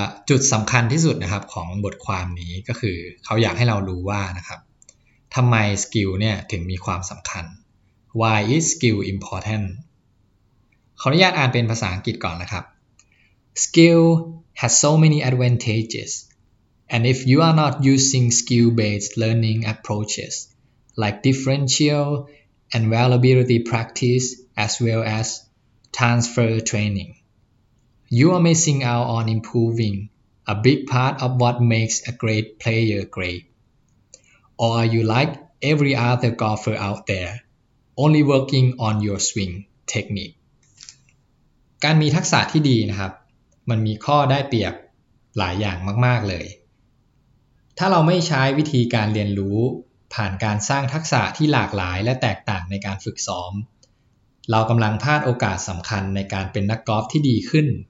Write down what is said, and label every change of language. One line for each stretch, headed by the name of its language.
Thai: จุดสำคัญที่สุดนะครับของบทความนี้ก็คือเขาอยากให้เรารู้ว่านะครับทำไมสกิลเนี่ยถึงมีความสำคัญ
English: Why is skill important
Thai: ขออนุญาตอ่านเป็นภาษาอังกฤษก่อนนะครับ
English: Skill has so many advantages and if you are not using skill-based learning approachesLike differential and availability practice as well as transfer training. You are missing out on improving a big part of what makes a great player great. Or are you like every other golfer out there, only working on your swing technique?
Thai: การมีทักษะที่ดีนะครับมันมีข้อได้เปรียบหลายอย่างมากๆเลยถ้าเราไม่ใช้วิธีการเรียนรู้ผ่านการสร้างทักษะที่หลากหลายและแตกต่างในการฝึกซ้อมเรากำลังพลาดโอกาสสำคัญในการเป็นนักกอล์ฟที่ดีขึ้น